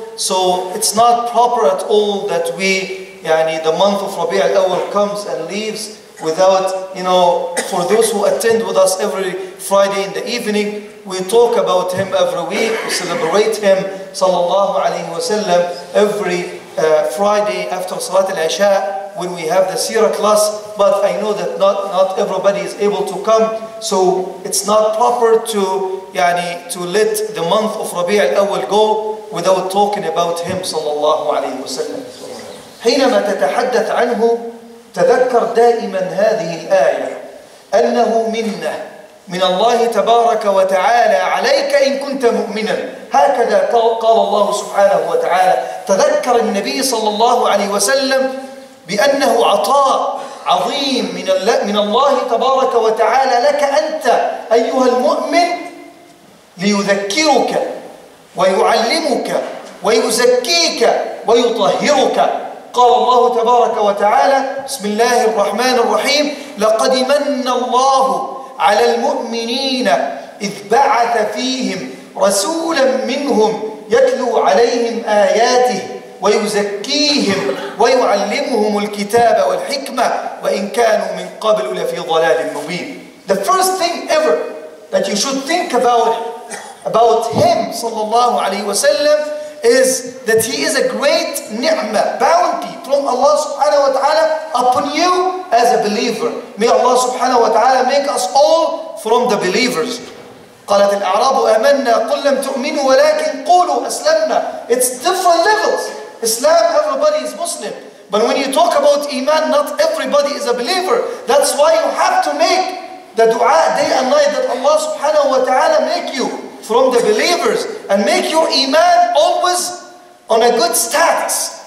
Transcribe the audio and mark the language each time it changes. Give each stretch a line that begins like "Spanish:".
English: So it's not proper at all that we, yani, the month of Rabi' al-Awwal comes and leaves without, you know, for those who attend with us every Friday in the evening, we talk about him every week, we celebrate him sallallahu alaihi wasallam every Friday after Salat al-Isha when we have the Seerah class. But I know that not everybody is able to come, so it's not proper to, yani, to let the month of Rabi' al-Awwal go without talking about him sallallahu alaihi wasallam.
Arabic: حينما تتحدث عنه تذكر دائما هذه الآية أنه منا من الله تبارك وتعالى عليك إن كنت مؤمنا. هكذا قال الله سبحانه وتعالى. تذكر النبي صلى الله عليه وسلم بأنه عطاء عظيم من الله تبارك وتعالى لك أنت أيها المؤمن، ليذكرك ويعلمك ويزكيك ويطهرك. قال الله تبارك وتعالى، بسم الله الرحمن الرحيم، لقد من الله على المؤمنين إذ بعث فيهم رسولا منهم يتلو عليهم آياته ويزكيهم ويعلمهم الكتاب والحكمة وإن كانوا من قبل لفي ضلال مبين.
English: The first thing ever that you should think about him
Arabic: صلى الله عليه وسلم
English: is that he is a great ni'mah, bounty from Allah subhanahu wa ta'ala upon you as a believer. May Allah subhanahu wa ta'ala make us all from the believers.
Arabic: قالت الأعراب آمنا قل لم تؤمنوا ولكن قولوا أسلمنا.
English: It's different levels. Islam, everybody is Muslim. But when you talk about Iman, not everybody is a believer. That's why you have to make the dua day and night that Allah subhanahu wa ta'ala make you from the believers and make your iman always on a good status.